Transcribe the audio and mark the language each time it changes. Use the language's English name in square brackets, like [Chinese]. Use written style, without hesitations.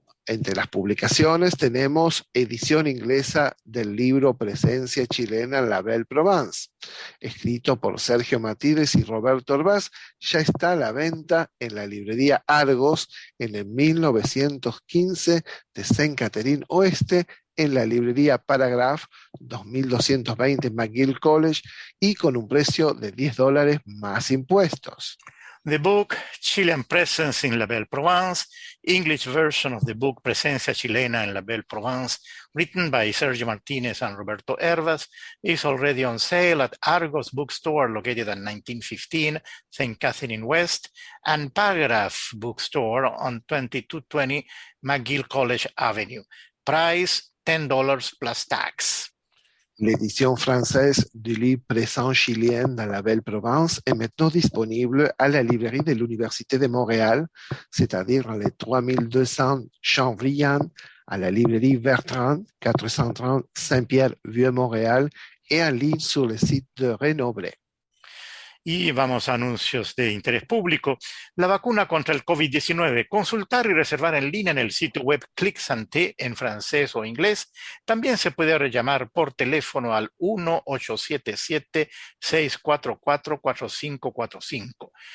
[Spanish] Entre las publicaciones tenemos edición inglesa del libro Presencia chilena en la Belle Provence, escrito por Sergio Matides y Roberto Orbaz, ya está a la venta en la librería Argos en el 1915 de Saint-Catherine Oeste, en la librería Paragraph 2220 McGill College y con un precio de $10 más impuestos. [English] The book Chilean Presence in La Belle Provence, English version of the book Presencia Chilena en La Belle Provence, written by Sergio Martinez and Roberto Hervas, is already on sale at Argos Bookstore, located at 1915 St. Catherine West, and Paragraph Bookstore on 2220 McGill College Avenue. Price $10 plus tax. [French] L'édition française du livre Présent chilien dans la Belle Provence est maintenant disponible à la librairie de l'Université de Montréal, c'est-à-dire les 3200 Champvrillan, à la librairie Bertrand, 430 Saint-Pierre-Vieux-Montréal et en ligne sur le site de Renoblet. [Spanish] Y vamos a anuncios de interés público. La vacuna contra el COVID-19, consultar y reservar en línea en el sitio web Click Santé en francés o inglés. También se puede llamar por teléfono al 1-877-644-4545.